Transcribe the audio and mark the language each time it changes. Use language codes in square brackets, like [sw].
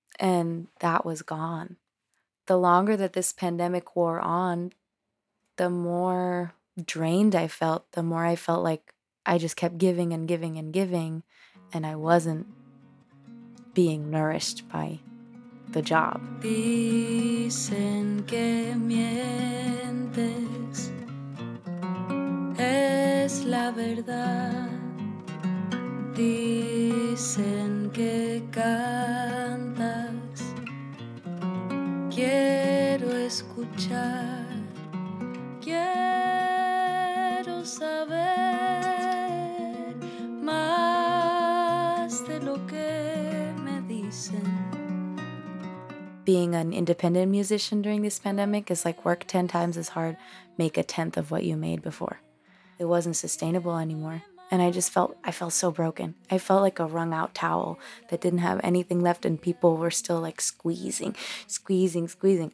[en] And that was gone. The longer that this pandemic wore on, the more drained I felt, the more I felt like I just kept giving and giving and giving, and I wasn't being nourished by the job. [es] Dicen que mientes es la verdad. Dicen que cantas. Quiero escuchar. Quiero saber más de lo que me dicen. [en] Being an independent musician during this pandemic is like work 10 times as hard, make a tenth of what you made before. It wasn't sustainable anymore. And I felt so broken. I felt like a wrung out towel that didn't have anything left, and people were still like squeezing, squeezing, squeezing.